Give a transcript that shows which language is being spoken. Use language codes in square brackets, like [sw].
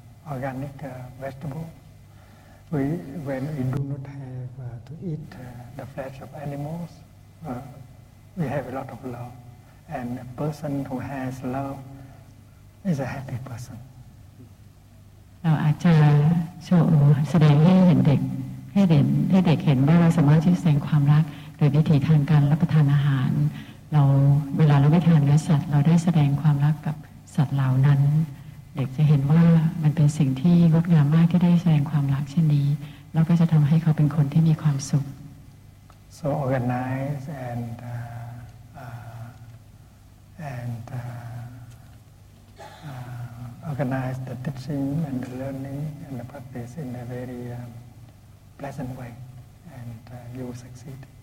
[en] organic vegetable when we do not have to eat the flesh of animals we have a lot of love and a person who has love is a happy person [th] เราอาจจะโชว์แสดงให้เห็นเด็กให้เด็กเห็นว่าเราสามารถที่จะแสดงความรักโดยวิธีทางการรับประทานอาหารเราเวลาเราไปทานเนื้อสัตว์เราได้แสดงความรักกับสัตว์เหล่านั้นเด็กจะเห็นว่ามันเป็นสิ่งที่งดงามมากที่ได้แสดงความรักเช่นนี้แล้วก็จะทำให้เขาเป็นคนที่มีความสุข [en] so organize andorganize the teaching and the learning and the practice in a very pleasant way and you will succeed